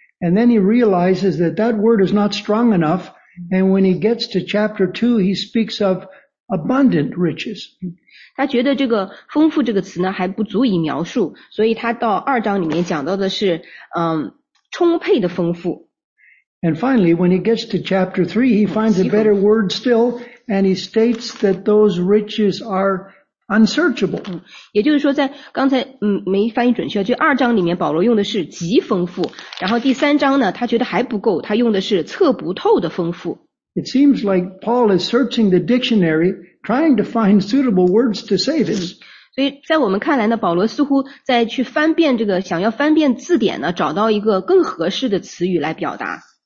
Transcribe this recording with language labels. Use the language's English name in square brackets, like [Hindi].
[English] And then he realizes that that word is not strong enough, and when he gets to chapter 2, he speaks of abundant riches. [Chinese] 他觉得这个丰富这个词呢还不足以描述，所以他到二章里面讲到的是充沛的丰富。 [English] And finally, when he gets to chapter 3, he finds a better word still, and he states that those riches are unsearchable. [Chinese] 也就是说在刚才没翻译准确，就二章里面保罗用的是极丰富，然后第三章呢他觉得还不够，他用的是测不透的丰富。 [English] It seems like Paul is searching the dictionary, trying to find suitable words to say this. [Chinese] 所以在我们看来呢，保罗似乎在去翻遍这个，想要翻遍字典呢，找到一个更合适的词语来表达。